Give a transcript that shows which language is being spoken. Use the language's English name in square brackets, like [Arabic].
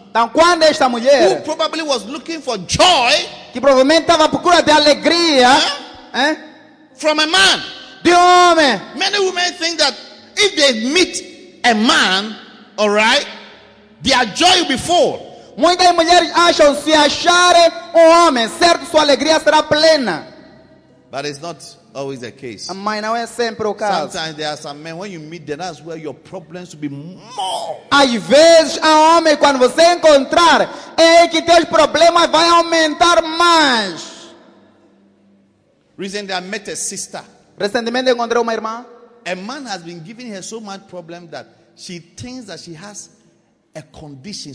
[Portuguese] então, quando esta mulher, [English] who probably was looking for joy, [Portuguese] que provavelmente estava à procura de alegria, [English] from a man, [Portuguese] de homem. [English] Many women think that if they meet a man, all right, their joy will be full. [Portuguese] Muitas mulheres acham se acharem um homem, certo, sua alegria será plena. [English] But it's not always the case. [Portuguese] Mas não é sempre o caso. [English] Sometimes there are some men when you meet them, that's where your problems will be more. [Portuguese] Às vezes há homem quando você encontrar é que teus problemas vão aumentar mais. [English] Recently, I met a sister. [Portuguese] Recentemente encontrei uma irmã. [English] A man has been giving her so much problem that she thinks that she has a condition.